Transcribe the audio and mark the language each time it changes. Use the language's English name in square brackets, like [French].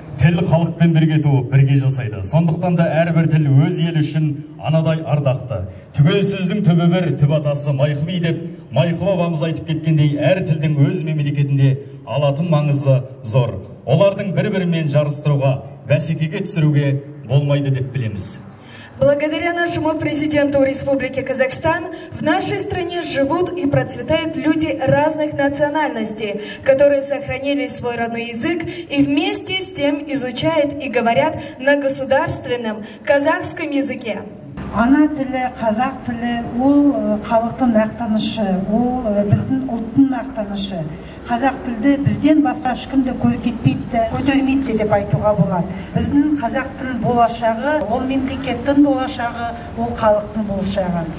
[Kazakh] Тіл халықпен бірге туып, бірге жасайды. Сондықтан да әрбір тіл өз елі үшін анадай ардақты. Түгел сөздің түбі бір, түп атасы Майқы деп, Майқы бабамыз айтып кеткендей, әр тілдің өз мемлекетінде алатын маңызы зор. Олардың бір-бірімен жарыстыруға, бәсекеге түсіруге болмайды деп білеміз. [Russian] Благодаря нашему президенту Республики Казахстан, в нашей стране живут и процветают люди разных национальностей, которые сохранили свой родной язык и вместе с тем изучают и говорят на государственном казахском языке. [Kazakh] Ана тілі, қазақ тілі, ол халықтың мақтанышы, ол біздің ұлттың мақтанышы. Қазақ тілді бізден басқа ешкім де көтермейді, көтермейді деп айтуға болады. Біздің қазақ тілінің болашағы, ол мемлекеттің болашағы, ол халықтың болашағы.